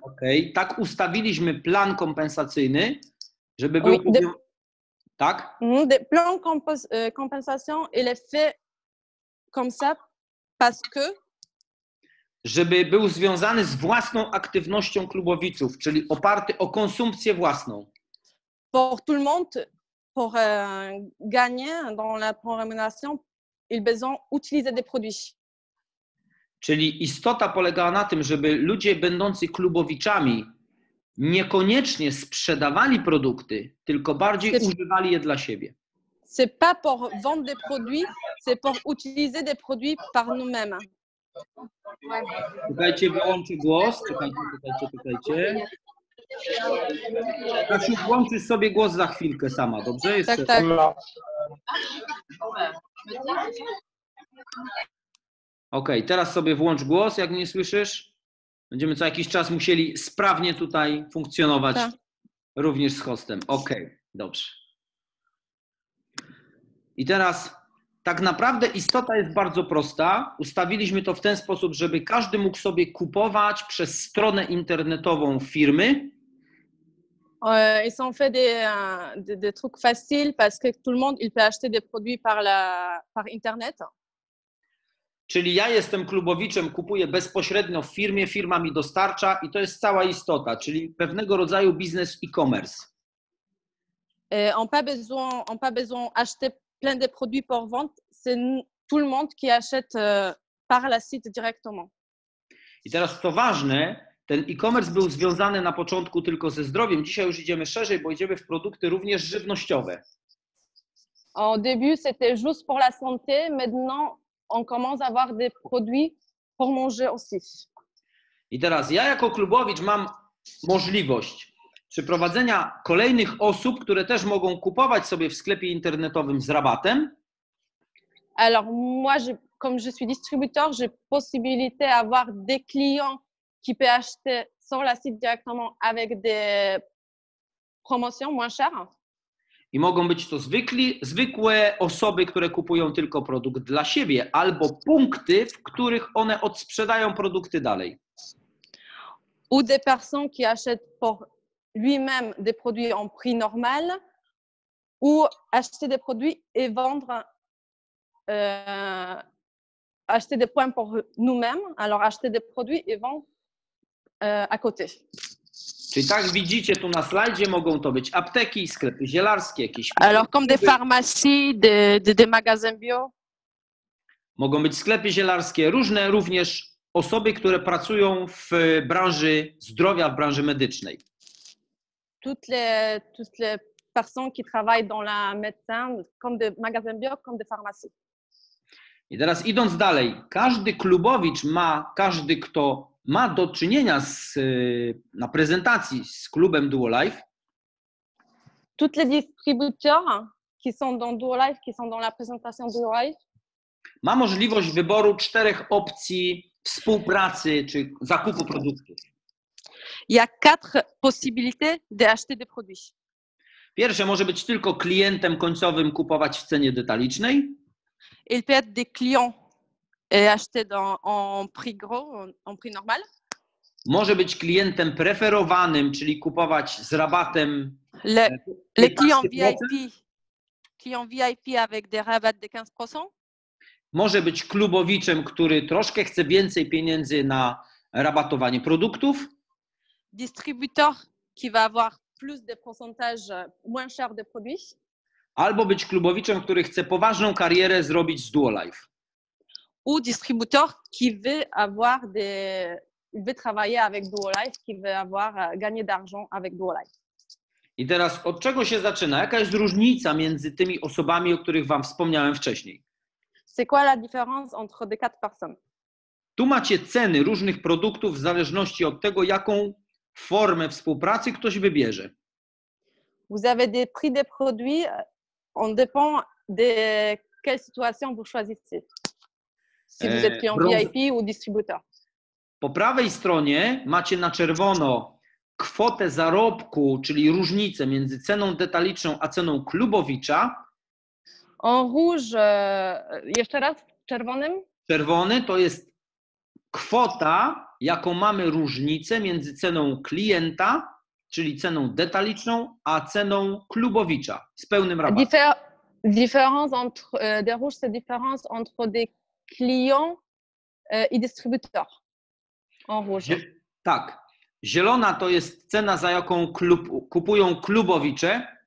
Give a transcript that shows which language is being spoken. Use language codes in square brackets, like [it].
[pl] Okej, okay. Tak ustawiliśmy plan kompensacyjny, żeby był... Tak? [fr] Des plans compensation, il est fait comme ça parce que... [pl] Żeby był związany z własną aktywnością klubowiców, czyli oparty o konsumpcję własną. [fr] Pour tout le monde, pour gagner dans la rémunération, ils besoin utiliser des produits. [pl] Czyli istota polegała na tym, żeby ludzie będący klubowiczami niekoniecznie sprzedawali produkty, tylko bardziej używali je dla siebie. [fr] C'est pas pour vendre des produits, c'est pour utiliser des produits par nous-mêmes. [pl] Czekajcie, wyłączy głos. Czekajcie. Kasiu, włączysz sobie głos za chwilkę sama, dobrze? Jeszcze. Tak, tak. Ok, teraz sobie włącz głos, jak mnie słyszysz. Będziemy co jakiś czas musieli sprawnie tutaj funkcjonować, tak. Również z hostem. Ok, dobrze. I teraz tak naprawdę istota jest bardzo prosta. Ustawiliśmy to w ten sposób, żeby każdy mógł sobie kupować przez stronę internetową firmy. [fr] Ils ont fait des trucs faciles parce que tout le monde il peut acheter des produits par internet. [pl] Czyli ja jestem klubowiczem, kupuję bezpośrednio w firmie, firma mi dostarcza i to jest cała istota, czyli pewnego rodzaju biznes e-commerce. [fr] On pas besoin acheter plein de produits pour vente, c'est tout le monde qui achète par la site directement. [pl] I teraz to ważne, ten e-commerce był związany na początku tylko ze zdrowiem, dzisiaj już idziemy szerzej, bo idziemy w produkty również żywnościowe. [fr] Au début c'était juste pour la santé, maintenant on commence à avoir des produits pour manger aussi. [pl] I teraz ja jako klubowicz mam możliwość przeprowadzenia kolejnych osób, które też mogą kupować sobie w sklepie internetowym z rabatem. [fr] Alors moi, comme je suis distributeur, j'ai possibilité d'avoir des clients qui peuvent acheter sur la site directement avec des promotions moins chères. [pl] I mogą być to zwykłe osoby, które kupują tylko produkt dla siebie, albo punkty, w których one odsprzedają produkty dalej. [fr] Ou des personnes qui achètent pour lui-même des produits en prix normal ou acheter des produits et vendre acheter des points pour nous-mêmes, alors acheter des produits et vendre à côté. [pl] Czyli tak widzicie tu na slajdzie, mogą to być apteki, sklepy zielarskie, jakieś... [fr] Alors comme des pharmacies, des magasins bio. [pl] Mogą być sklepy zielarskie, różne również osoby, które pracują w branży zdrowia, w branży medycznej. [fr] Toutes les personnes qui travaillent dans la médecine, comme des magasins bio, comme des pharmacies. [pl] I teraz idąc dalej, każdy klubowicz ma, każdy kto ma do czynienia z, na prezentacji z klubem DuoLife. [fr] Toutes les distributeurs qui sont dans DuoLife, qui sont dans la présentation DuoLife. [pl] Ma możliwość wyboru czterech opcji współpracy czy zakupu produktów. [fr] Il y a quatre possibilités d'acheter des produits. [pl] Pierwsze, może być tylko klientem końcowym, kupować w cenie detalicznej. [fr] Il peut être des clients et acheter dans, en prix gros, en prix normal. [pl] Może być klientem preferowanym, czyli kupować z rabatem. [fr] Les clients VIP, client VIP avec des rabats de 15%. [pl] Może być klubowiczem, który troszkę chce więcej pieniędzy na rabatowanie produktów. [fr] Distributeur qui va avoir plus de pourcentage moins cher de produits. [pl] Albo być klubowiczem, który chce poważną karierę zrobić z DuoLife. [fr] Ou distributeur qui veut avoir des veut travailler avec DuoLife, qui veut avoir gagner d'argent avec DuoLife. [pl] I teraz od czego się zaczyna? Jaka jest różnica między tymi osobami, o których wam wspomniałem wcześniej? [fr] C'est quoi la différence entre les quatre personnes? [pl] Tu macie ceny różnych produktów w zależności od tego, jaką formę współpracy ktoś wybierze. [fr] Vous avez des prix des produits en dépend de quelle situation vous choisissez. Si vous êtes client VIP ou distributeur. [pl] Po prawej stronie macie na czerwono kwotę zarobku, czyli różnicę między ceną detaliczną a ceną klubowicza. [fr] En rouge, [pl] jeszcze raz, czerwonym. Czerwony to jest kwota, jaką mamy różnicę między ceną klienta, czyli ceną detaliczną, a ceną klubowicza z pełnym rabatem. [fr] Différence entre des rouges, c'est différence entre des clients i distributeurs. En rouge. [pl] Tak. Zielona to jest cena, za jaką kupują klubowicze.